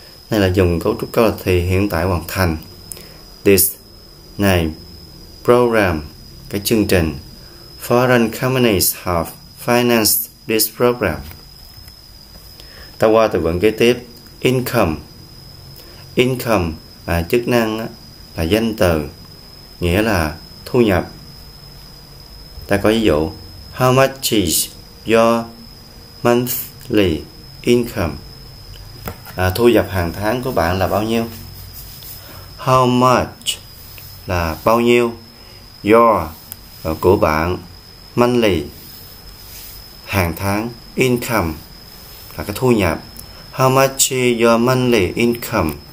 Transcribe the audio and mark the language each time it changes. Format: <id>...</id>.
<vi>Đây là dùng cấu trúc câu thì hiện tại hoàn thành. This này, program, cái chương trình.</vi> <en>Foreign companies have financed this program.</en> <vi>Ta qua từ vựng kế tiếp: income. Income là chức năng, là danh từ, nghĩa là thu nhập.</vi> <en>Ta có ví dụ: How much is your monthly income?</en> <vi>Thu nhập hàng tháng của bạn là bao nhiêu?</vi> <en>How much</en> <vi>là bao nhiêu? Your của bạn, monthly hàng tháng, income là cái thu nhập.</vi> <en>How much is your monthly income?</en>